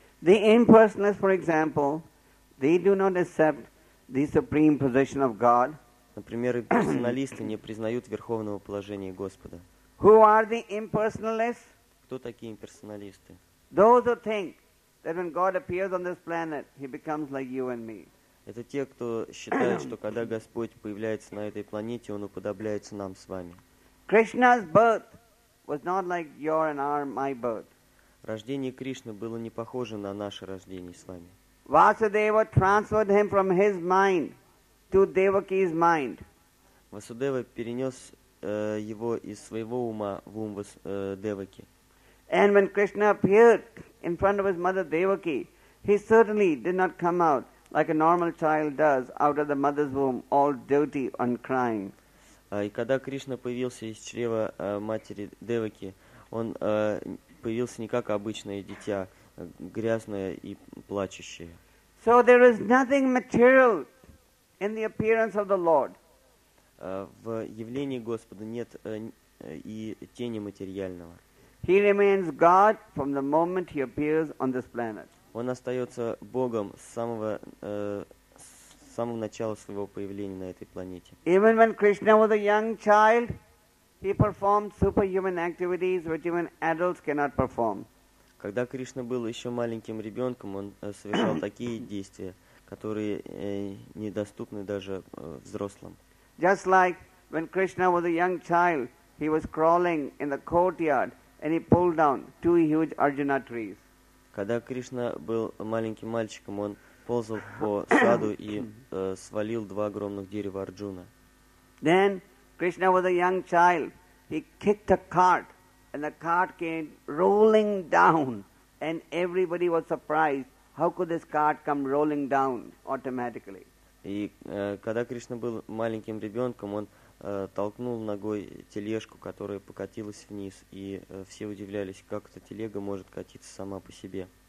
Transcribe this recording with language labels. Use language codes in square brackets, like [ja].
[en] The impersonalists, for example, they do not accept the supreme position of God. [ru] Например, имперсоналисты не признают верховного положения Господа. [en] Who are the impersonalists? [ru] Кто такие имперсоналисты? [en] Those who think that when God appears on this planet, he becomes like you and me. [ru] Это те, кто считает, что когда Господь появляется на этой планете, он уподобляется нам с вами. [en] Krishna's birth was not like your and our my birth. [ru] Рождение Кришны было не похоже на наше рождение с вами. [en] Vasudeva transferred him from his mind to Devaki's mind. [ru] Vasudeva перенес его из своего ума в ум Деваки. [en] And when Krishna appeared in front of his mother Devaki, he certainly did not come out like a normal child does out of the mother's womb, all dirty and crying. [ru] И когда Кришна появился из чрева матери Деваки, он появился не как обычное дитя, грязное и плачущее. [en] So there is nothing material in the appearance of the Lord. [ru] В явлении Господа нет и тени материального. [en] He remains God from the moment he appears on this planet. [ru] Он остается Богом с самого начала своего появления на этой планете. [en] Even when Krishna was a young child, he performed superhuman activities which even adults cannot perform. [ru] Когда Кришна был еще маленьким ребенком, он совершал такие действия, которые недоступны даже взрослым. [en] Just like when Krishna was a young child, he was crawling in the courtyard and he pulled down two huge Arjuna trees. [ru] Когда Кришна был маленьким мальчиком, он ползал по саду и свалил два огромных дерева Арджуна. [en] Then Krishna was a young child. He kicked a cart, and the cart came rolling down, and everybody was surprised. How could this cart come rolling down automatically? [ru] И когда Кришна был маленьким ребенком, он толкнул ногой тележку, которая покатилась вниз, и все удивлялись, как эта телега может катиться сама по себе.